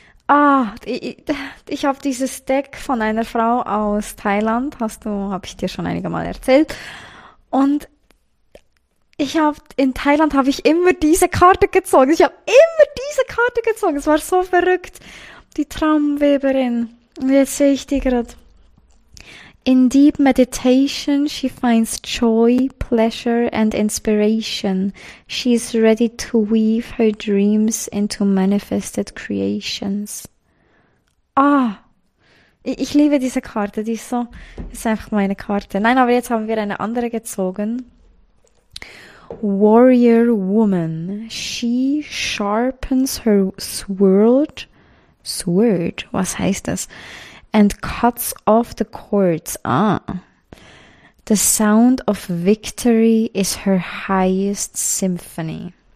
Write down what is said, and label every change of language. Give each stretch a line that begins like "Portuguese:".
German: Ah, ich habe dieses Deck von einer Frau aus Thailand, habe ich dir schon einige Mal erzählt. Und in Thailand habe ich immer diese Karte gezogen. Ich habe immer diese Karte gezogen. Es war so verrückt. Die Traumweberin. Und jetzt sehe ich die gerade.
English: In deep meditation, she finds joy, pleasure and inspiration. She is ready to weave her dreams into manifested creations.
German: Ah, ich liebe diese Karte, die ist so, ist einfach meine Karte. Nein, aber jetzt haben wir eine andere gezogen.
English: Warrior Woman, she sharpens her sword. Sword,
German: was heißt das?
English: And cuts off the cords. Ah. The sound of victory is her highest symphony.